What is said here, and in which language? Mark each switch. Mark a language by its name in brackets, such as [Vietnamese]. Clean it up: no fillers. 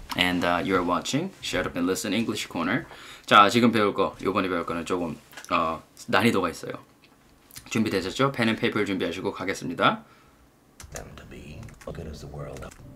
[English] And you're watching Shut Up and Listen English Corner. [Korean] 자, 지금 배울 거, 이번에 배울 거는 조금 난이도가 있어요. 준비되셨죠? [English] Pen and paper [Korean] 준비하시고 가겠습니다. [English] Them to be as good as the world.